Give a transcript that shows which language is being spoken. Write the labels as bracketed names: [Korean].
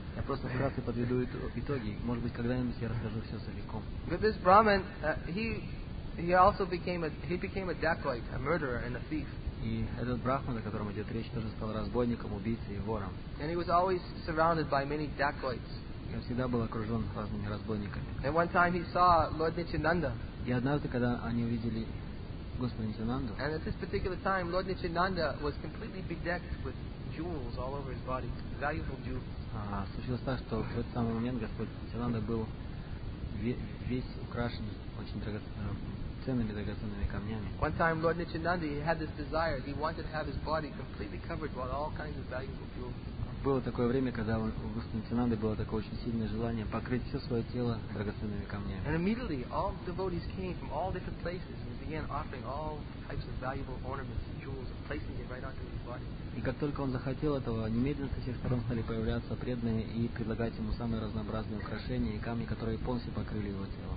[Russian] Я просто вкратце подведу итоги. Может быть, когда-нибудь я расскажу все целиком. [English] But this Brahmin, he also became a dacoit, a murderer and a thief. [Russian] И этот брахман, о котором идет речь, тоже стал разбойником, убийцей и вором. [English] And he was always surrounded by many dacoits. [Russian] И он всегда был окружен разными разбойниками. [English] And one time he saw Lord Nityananda. [Russian] И однажды, когда они увидели Господа Нитянанду. [English] And at this particular time, Lord Nityananda was completely bedecked with jewels all over his body, valuable jewels. [Russian] Случилось так, что в этот самый момент Господь Нитянанда был весь украшен очень ценными драгоценными камнями. [English] One time, Lord Nityananda had this desire; he wanted to have his body completely covered with all kinds of valuable jewels. [Russian] было такое время, когда у Господа Нитянанды было такое очень сильное желание покрыть все свое тело драгоценными камнями. [English] And immediately all the devotees came from all different places and began offering all types of valuable ornaments and jewels and placing it right onto his body. [Russian] И как только он захотел этого, немедленно со всех сторон стали появляться преданные и предлагать ему самые разнообразные украшения и камни, которые полностью покрыли его тело.